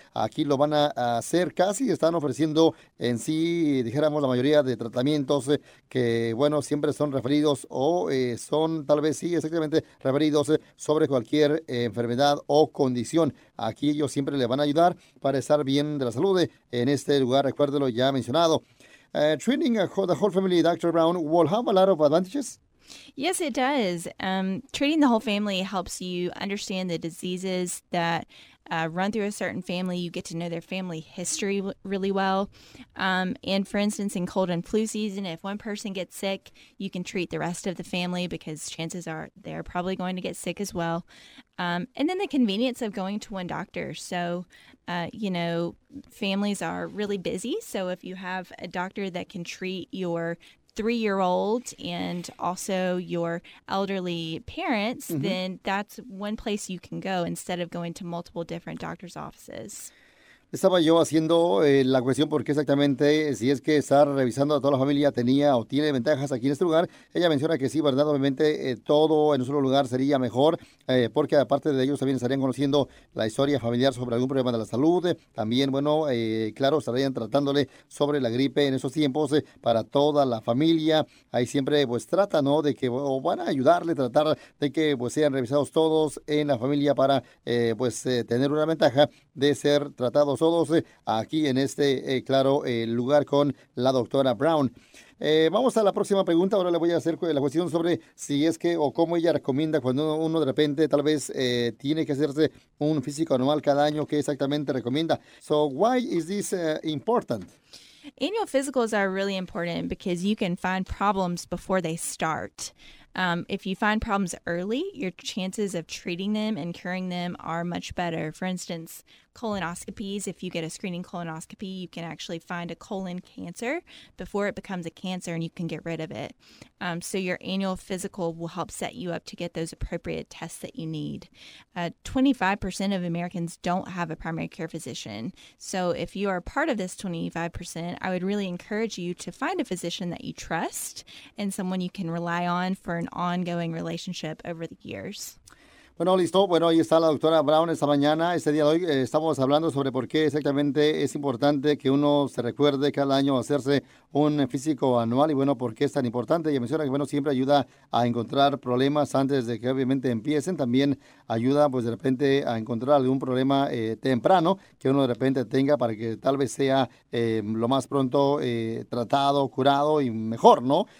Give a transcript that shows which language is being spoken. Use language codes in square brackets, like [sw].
[es] Aquí lo van a hacer, casi están ofreciendo en sí, dijéramos, la mayoría de tratamientos que, bueno, siempre son referidos o son tal vez sí exactamente referidos sobre cualquier enfermedad o condición. Aquí ellos siempre le van a ayudar para estar bien de la salud en este lugar, recuérdelo ya mencionado. [en] Treating the whole family, Dr. Brown, will have a lot of advantages. Yes, it does. Treating the whole family helps you understand the diseases that run through a certain family. You get to know their family history really well. And for instance, in cold and flu season, if one person gets sick, you can treat the rest of the family because chances are they're probably going to get sick as well. And then the convenience of going to one doctor. So, you know, families are really busy. So if you have a doctor that can treat your 3-year-old and also your elderly parents, mm-hmm. then that's one place you can go instead of going to multiple different doctor's offices. [es] Estaba yo haciendo la cuestión porque exactamente si es que estar revisando a toda la familia tenía o tiene ventajas aquí en este lugar. Ella menciona que sí, ¿verdad? Obviamente todo en un solo lugar sería mejor porque aparte de ellos también estarían conociendo la historia familiar sobre algún problema de la salud. También, bueno, claro, estarían tratándole sobre la gripe en esos tiempos para toda la familia. Ahí siempre pues trata, ¿no? De que o van a ayudarle, tratar de que pues sean revisados todos en la familia para pues tener una ventaja de ser tratado todos aquí en este claro lugar con la doctora Brown. Vamos a la próxima pregunta. Ahora le voy a hacer la cuestión sobre si es que o cómo ella recomienda cuando uno de repente tal vez tiene que hacerse un físico anual cada año, ¿qué exactamente recomienda? [en] So why is this important? Annual physicals are really important because you can find problems before they start. If you find problems early, your chances of treating them and curing them are much better. For instance, colonoscopies, if you get a screening colonoscopy, you can actually find a colon cancer before it becomes a cancer and you can get rid of it. So your annual physical will help set you up to get those appropriate tests that you need. 25% of Americans don't have a primary care physician. So if you are part of this 25%, I would really encourage you to find a physician that you trust and someone you can rely on for an ongoing relationship over the years. [es] Bueno, listo. Bueno, ahí está la doctora Brown esta mañana. Este día de hoy estamos hablando sobre por qué exactamente es importante que uno se recuerde cada año hacerse un físico anual y, bueno, por qué es tan importante. Ella menciona que, bueno, siempre ayuda a encontrar problemas antes de que obviamente empiecen. También ayuda, pues, de repente a encontrar algún problema temprano que uno de repente tenga para que tal vez sea lo más pronto tratado, curado y mejor, ¿no?